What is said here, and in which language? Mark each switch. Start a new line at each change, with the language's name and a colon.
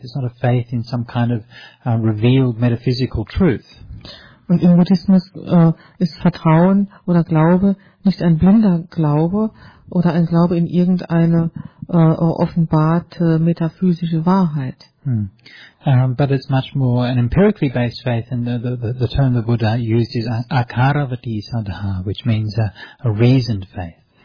English: It's not a faith in some kind of revealed metaphysical truth.
German: Und im Buddhismus ist Vertrauen oder Glaube nicht ein blinder Glaube oder ein Glaube in irgendeine offenbarte metaphysische Wahrheit. Hmm.
English: But it's much more an empirically based faith, and the term the Buddha used is akaravati sadha, which means a reasoned faith.